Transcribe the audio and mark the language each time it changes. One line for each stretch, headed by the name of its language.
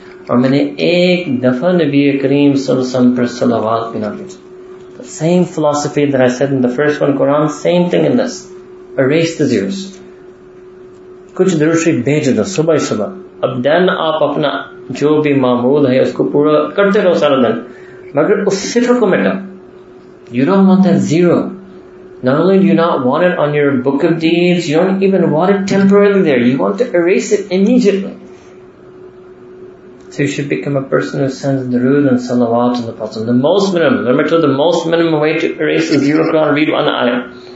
Urdu: اور میں نے ایک دفعہ نبی کریم صلی اللہ علیہ وسلم پر صلوات بھی نہ بھیجا.
English: The same philosophy that I said in the first one, Quran, same thing in this. Erase the zeros.
Urdu: کچھ درشی بھیج دو صبح ہی صبح. اب دن آپ اپنا جو بھی معمول ہے اس کو پورا کرتے رہو سارا دن, مگر اس صفر کو مٹا.
English: You don't want that zero. Not only do you not want it on your book of deeds, you don't even want it temporarily there. You want to erase it immediately. So you should become a person who sends durood and salawat on the Prophet. The most minimum, remember to the most minimum way to erase the zero Quran, read one ayah.